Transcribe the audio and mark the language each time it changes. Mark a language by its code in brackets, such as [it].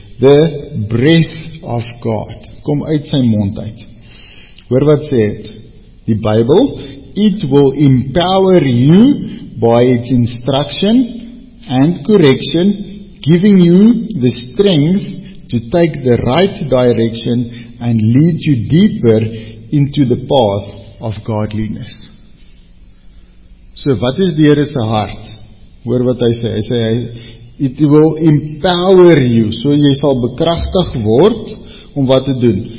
[en] The breath of God, [af] kom uit sy mond uit. Hoor wat sê het, die Bybel, [en] it will empower you by its instruction and correction, giving you the strength to take the right direction and lead you deeper into the path of godliness. [af] So wat is die Here se hart? Hoor wat hy sê. Hy sê hy [en] it will empower you, [af] so jy sal bekragtig word om wat te doen.